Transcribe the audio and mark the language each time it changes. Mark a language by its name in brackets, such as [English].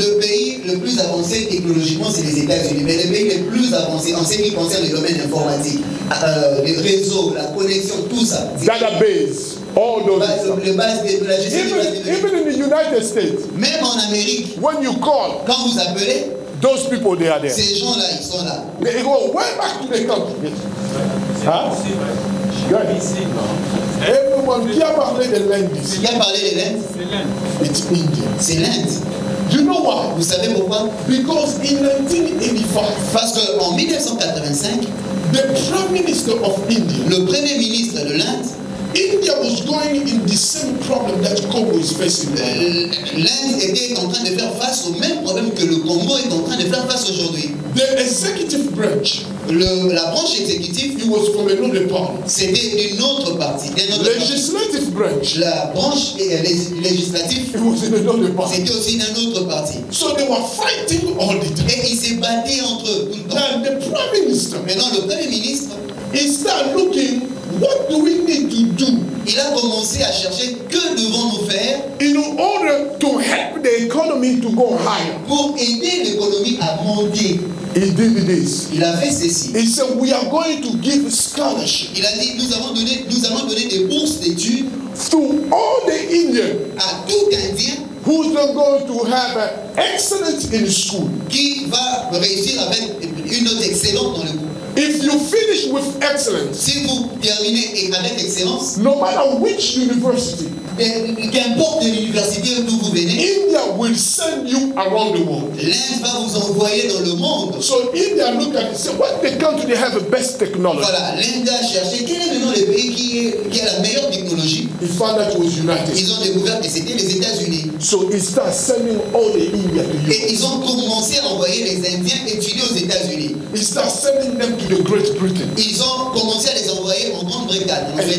[French] Le pays le plus avancé technologiquement, c'est les États-Unis. Mais le pays le plus avancé en ce qui concerne le domaine informatique, les réseaux, la connexion, tout ça. [English] Database. All those. Even in the United States. [French] Même en Amérique. [English] When you call. [French] Quand vous appelez. [English] Those people, they are there. [French] Ces gens-là, ils sont là. [English] They go way back to the country. Yes. Huh? [French] Everyone, qui a parlé de l'Inde? Qui a parlé de l'Inde? [English] It's India. [French] C'est l'Inde. [English] You know why? [French] Vous savez pourquoi? [English] Because in 1985. [French] Parce qu'en 1985, [English] the Prime Minister of India. [French] Le Premier ministre de l'Inde. [English] India was going in the same problem that Congo is facing. [French] L'Inde était en train de faire face au même problème que le Congo est en train de faire face aujourd'hui. [English] The executive branch. [French] La branche exécutive. [English] It was from another party. [French] C'était d'une autre partie. [English] Legislative branch. [French] La branche législative. [English] It was in another party. [French] C'était aussi d'une autre partie. [English] So they were fighting all the time. [French] Et ils se battaient entre eux tout le temps. [English] And the prime minister. [French] Maintenant le premier ministre. [English] He started looking. What do we need to do? [French] Il a commencé à chercher que devons-nous faire? [English] In order to help the economy to go higher. [French] Pour aider l'économie à monter. [English] He did this. [French] Il a fait ceci. [English] He said, "We are going to give scholarship." [French] Il a dit, nous avons donné des bourses d'études [English] to all the Indians. [French] À tout Indien. [English] Who's not going to have excellence in school? [French] Qui va réussir avec une note excellente dans le cours? [English] If you finish with excellence, [French] si vous terminez avec excellence, [English] no matter which university, [French] qu'importe l'université d'où vous venez, [English] India will send you around the world. [French] L'Inde va vous envoyer dans le monde. [English] So India look at it, say, what the country they have the best technology? [French] Voilà, l'Inde a cherché quel est le nom des pays qui a la meilleure technologie. [English] He found that it was United. [French] Ils ont découvert que c'était les États-Unis. [English] So he start sending all the Indians to [French] Europe. Et ils ont commencé à envoyer les Indiens étudier aux États-Unis. [English] He start sending them to the Great Britain. [French] Ils ont commencé à les envoyer en Grande-Bretagne.